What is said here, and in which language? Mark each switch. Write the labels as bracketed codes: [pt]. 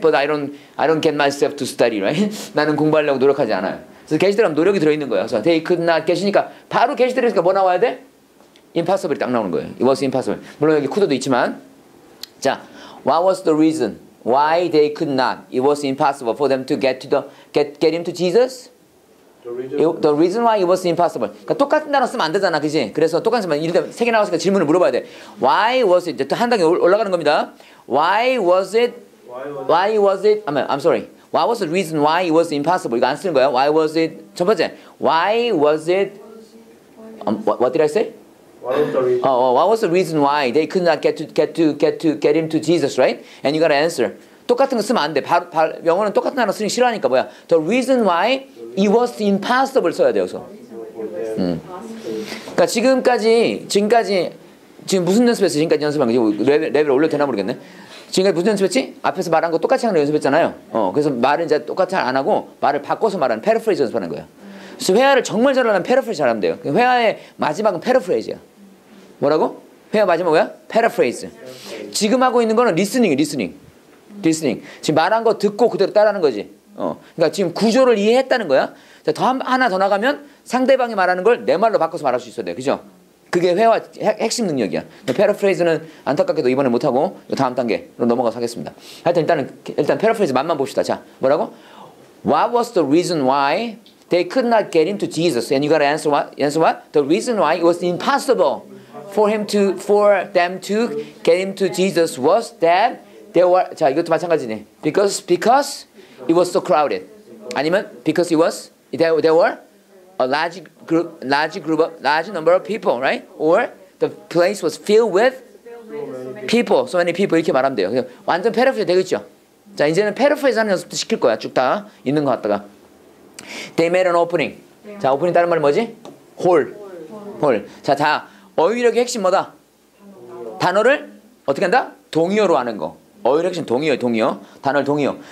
[en] But I don't get myself to study, right? [ko] 나는 공부하려고 노력하지 않아요. 그래서 계시들하면 노력이 들어있는 거예요. 그래서 they could not 계시니까 바로 계시들이니까 뭐 나와야 돼? Impossible 딱 나오는 거예요. [en] It was impossible. [ko] 물론 여기 could도 있지만 자, [en] what was the reason why they could not? It was impossible for them to get him to Jesus. The reason why it was impossible. [ko] 그러니까 똑같은 단어 쓰면 안 되잖아, 그지? 그래서 똑같은 단어 이런 데 세 개 나왔으니까 질문을 물어봐야 돼. [en] Why was it? [ko] 한 단계 올라가는 겁니다. [en] Why was it? I'm sorry. What was the reason why it was impossible? [ko] 이거 안 쓰는 거야. [en] Why was it? [ko] 첫 번째. [en] What did I say? What was the reason why they could not get him to Jesus, right? And you got to answer. [ko] 똑같은 거 쓰면 안 돼. 영어는 똑같은 단어 쓰기 싫어하니까 뭐야. [en] The reason why it was impossible [ko] 써야 돼요. 그러니까 지금까지 무슨 연습했어? 지금까지 연습한 거지. 레벨 올려도 되나 모르겠네. 지금까지 무슨 연습했지? 앞에서 말한 거 똑같이 하는 거 연습했잖아요. 그래서 말은 이제 똑같이 안 하고 말을 바꿔서 말하는 패러프레이즈 연습하는 거예요. 그래서 회화를 정말 잘하는 패러프레이즈 잘하면 돼요. 회화의 마지막은 패러프레이즈야. 뭐라고? 회화 마지막이야? 패러프레이즈. 지금 하고 있는 거는 리스닝. 지금 말한 거 듣고 그대로 따라하는 거지. 그러니까 지금 구조를 이해했다는 거야. 자, 하나 더 나가면 상대방이 말하는 걸 내 말로 바꿔서 말할 수 있어야 돼. 그죠? 그게 회화 핵심 능력이야. 패러프레이즈는 안타깝게도 이번에 못 하고 다음 단계로 넘어가서 하겠습니다. 하여튼 일단 패러프레이즈 맛만 봅시다. 자, 뭐라고? [en] What was the reason why they could not get him to Jesus? And you got to answer what? The reason why it was impossible for them to get him to Jesus was that there were [ko] 자, 이것도 마찬가지네. [en] Because it was so crowded. 아니면 because it was there were a large number of people, right? Or the place was filled with people. So many people [ko] 이렇게 말하면 돼요. 완전 패러프레이즈 되겠죠. 자, 이제는 패러프레이즈 하는 연습도 시킬 거야. 쭉 다 있는 거 같다가. [en] They made an opening. [ko] 자, 오프닝 다른 말이 뭐지? Hole. 자, 어휘력의 핵심 뭐다? 단어를 어떻게 한다? 동의어로 하는 거. 어휘력의 핵심 동의어. 단어를 동의어.